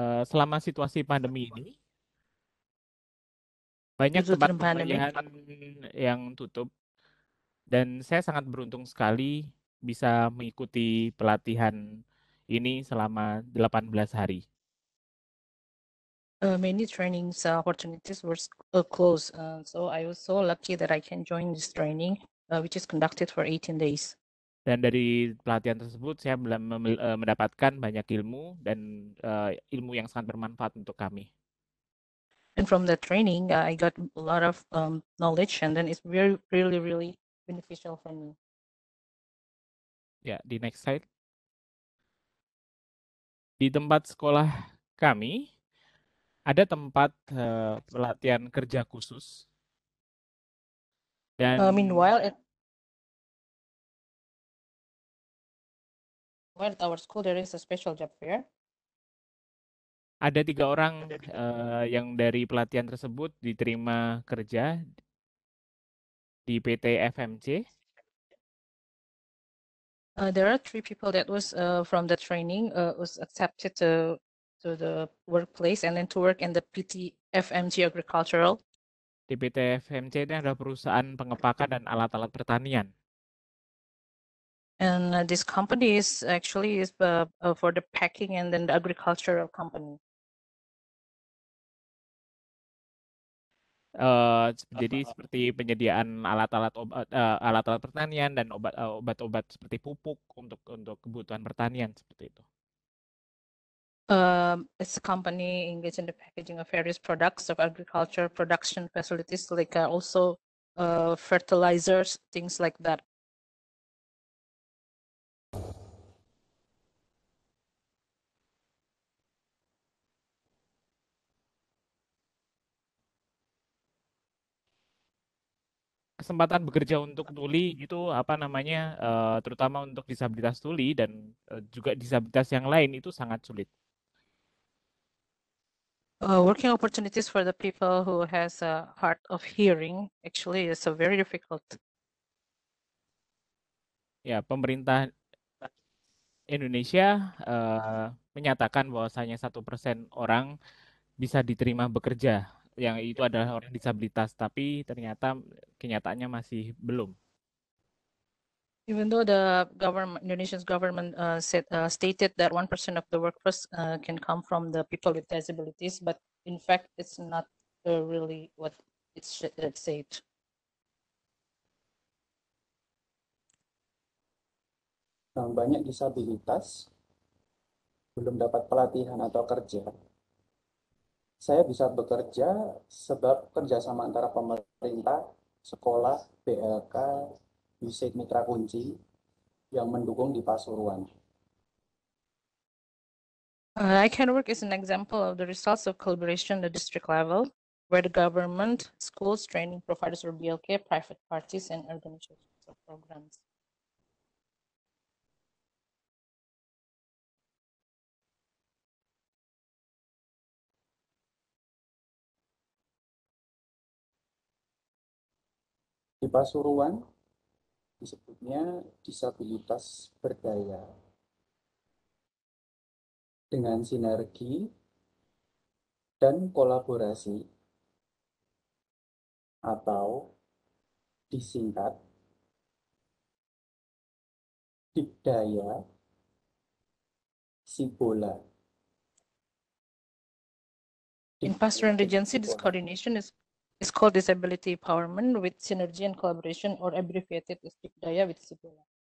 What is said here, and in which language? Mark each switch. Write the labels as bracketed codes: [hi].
[id] Selama situasi pandemi ini banyak tempat pelatihan yang tutup dan saya sangat beruntung sekali bisa mengikuti pelatihan ini selama 18 hari. [en] Many training opportunities were closed, so I was so lucky that I can join this training which is conducted for 18 days. [id] Dan dari pelatihan tersebut saya mendapatkan banyak ilmu dan ilmu yang sangat bermanfaat untuk kami. [en] And from the training I got a lot of knowledge and then it's very really really beneficial for me. [id] Ya, di [en] next slide. [id] Di tempat sekolah kami ada tempat pelatihan kerja khusus. Dan [en] meanwhile Well, at our school there is a special job fair. [id] Ada 3 orang yang dari pelatihan tersebut diterima kerja di PT FMC. [en] There are 3 people that was from the training was accepted to the workplace and then to work in the PT FMC Agricultural. [id] Di PT FMC ini ada perusahaan pengepakan dan alat-alat pertanian. [en] And this company is actually is for the packing and then the agricultural company. [id] Jadi seperti penyediaan alat-alat obat, alat-alat pertanian dan obat-obat seperti pupuk untuk kebutuhan pertanian seperti itu. [en] It's a company engaged in the packaging of various products of agriculture production facilities like also fertilizers, things like that. [id] Kesempatan bekerja untuk tuli itu apa namanya, terutama untuk disabilitas tuli dan juga disabilitas yang lain itu sangat sulit. [en] Working opportunities for the people who has a hard of hearing actually is a very difficult. [id] Ya, pemerintah Indonesia menyatakan bahwasanya 1% orang bisa diterima bekerja, yang itu adalah orang disabilitas, tapi ternyata kenyataannya masih belum. [en] Even though the government, Indonesia's government said stated that 1% of the workforce can come from the people with disabilities, but in fact it's not really what it said. [id] Yang banyak disabilitas belum dapat pelatihan atau kerja. Saya bisa bekerja sebab kerjasama antara pemerintah, sekolah, BLK, Bisik Mitra Kunci yang mendukung di Pasuruan. [en] I can work as an example of the results of collaboration at the district level, where the government, schools, training providers or BLK, private parties and organizations or programs. [id] Di Pasuruan disebutnya disabilitas berdaya. Dengan sinergi dan kolaborasi atau disingkat Dikdaya Sibola. [en] In Pasuruan Regency, this coordination is called Disability Empowerment with Synergy and Collaboration, or abbreviated as Dikdaya with Sibola.